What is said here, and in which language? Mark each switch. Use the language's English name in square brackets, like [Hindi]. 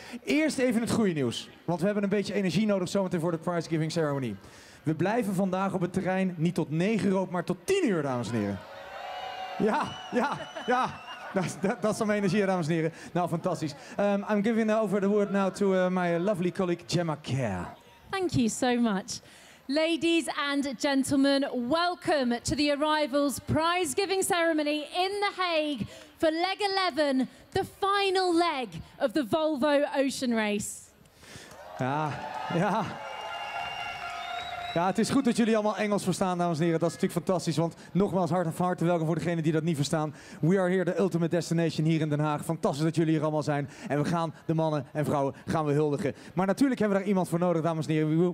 [Dutch] Eerst even het goede nieuws, want we hebben een beetje energie nodig zometeen voor de [English] prize giving ceremony. [Dutch] We blijven vandaag op het terrein niet tot 9 uur, maar tot 10 uur, dames en heren. Ja. Dat is al mijn energie, dames en heren. Nou, fantastisch. [English] I'm giving over the word now to my lovely colleague Gemma Kerr. Thank you so much. Ladies and gentlemen, welcome to the Arrivals Prize Giving Ceremony in The Hague for leg 11, the final leg of the Volvo Ocean Race. [Dutch] Ja, het is goed dat jullie allemaal Engels verstaan, dames en heren. Dat is natuurlijk fantastisch, want nogmaals hart en harte welkom voor degenen die dat niet verstaan. [English] We are here, the ultimate destination [Dutch] hier in Den Haag. Fantastisch dat jullie hier allemaal zijn. En we gaan de mannen en vrouwen gaan we huldigen. Maar natuurlijk hebben we daar iemand voor nodig, dames en heren.